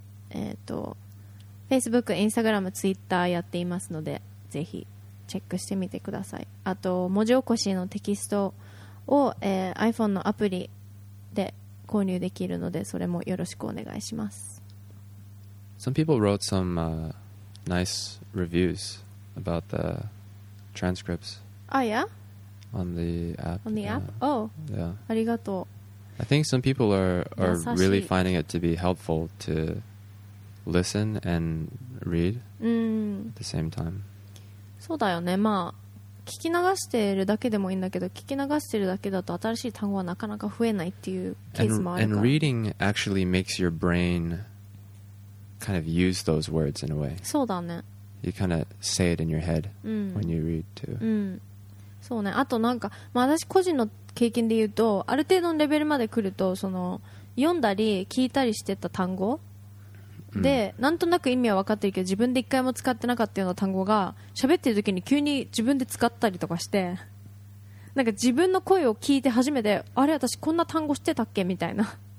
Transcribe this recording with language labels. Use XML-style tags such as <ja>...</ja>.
<ja>Facebook、Instagram、Twitter やっていますので、ぜひチェックしてみてください。あと文字起こしのテキストを、iPhone のアプリで購入できるので、それもよろしくお願いします。</ja> <en>Some people wrote some、nice reviews about the transcripts. Ah, yeah. On the app. On the app. Oh. Yeah.</en> <ja>ありがとう。</ja> <en>I think some people are really finding it to be helpful to listen and read、</en> <ja>うん、</ja> <en>at the same time.</en> <ja>そうだよね。まあ聞き流しているだけでもいいんだけど、聞き流しているだけだと新しい単語はなかなか増えないっていうケースもあるから。</ja> <en>And reading actually makes your brain kind of use those words in a way.</en> <ja>そうだね。</ja> <en>You kind of say it in your head、</en> <ja>うん、</ja> <en>when you read too.、</en> <ja>うん、そうね。あとなんか、まあ、私個人の経験で言うと、ある程度のレベルまで来ると、その読んだり聞いたりしてた単語で、うん、なんとなく意味は分かってるけど、自分で一回も使ってなかったような単語が喋ってる時に急に自分で使ったりとかして、なんか自分の声を聞いて初めて、あれ私こんな単語してたっけみたいな、</ja>